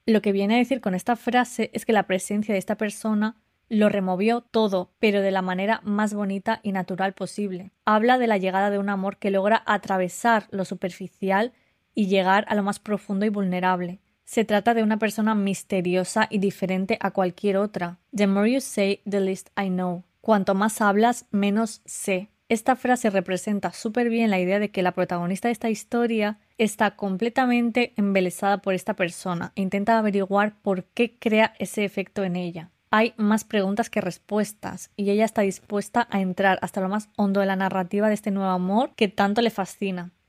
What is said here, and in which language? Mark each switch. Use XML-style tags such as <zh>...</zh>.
<es>Lo que viene a decir con esta frase es que la presencia de esta persona lo removió todo, pero de la manera más bonita y natural posible. Habla de la llegada de un amor que logra atravesar lo superficial y llegar a lo más profundo y vulnerable. Se trata de una persona misteriosa y diferente a cualquier otra.</es> <en>The more you say, the least I know.</en> <es>Cuanto más hablas, menos sé. Esta frase representa súper bien la idea de que la protagonista de esta historia está completamente embelesada por esta persona e intenta averiguar por qué crea ese efecto en ella. Hay más preguntas que respuestas y ella está dispuesta a entrar hasta lo más hondo de la narrativa de este nuevo amor que tanto le fascina.</es>